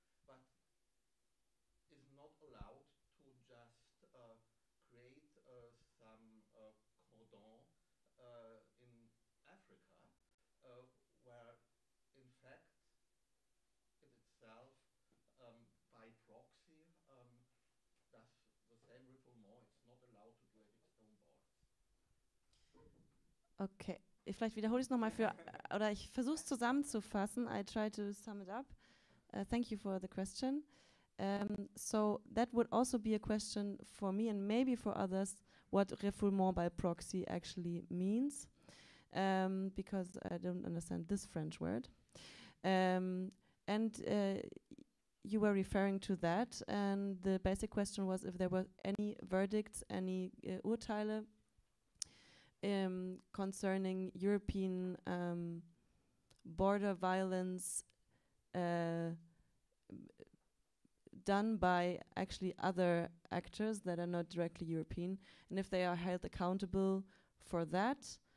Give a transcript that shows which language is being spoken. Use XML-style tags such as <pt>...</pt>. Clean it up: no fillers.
<en>like the open sea, but is not allowed to just create some cordon in Africa, where in fact it itself by proxy does the same refoulement. It's not allowed to do it at its own borders.</en> <de>Okay, vielleicht wiederhole ich es nochmal für, oder ich versuche es zusammenzufassen.</de> <en>I try to sum it up. Thank you for the question. So that would also be a question for me and maybe for others, what refoulement by proxy actually means, because I don't understand this French word. You were referring to that, and the basic question was if there were any verdicts, any Urteile concerning European border violence done by actually other actors that are not directly European, and if they are held accountable for that.</en>